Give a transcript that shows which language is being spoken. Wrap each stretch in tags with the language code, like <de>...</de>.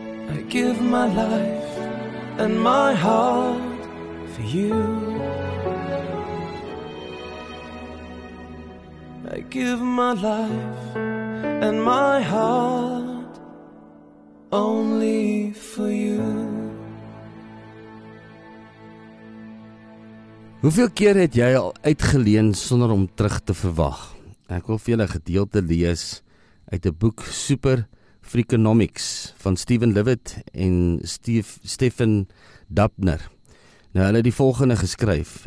<en>I give my life and my heart for you. I give my life and my heart only for you.</en> <af>Hoeveel keer het jy al uitgeleen sonder om terug te verwag? Ek wil vir julle 'n gedeelte lees uit 'n boek Super Freakonomics van Stephen Levitt en Stephen Dubner. Nou, hulle het die volgende geskryf.</af>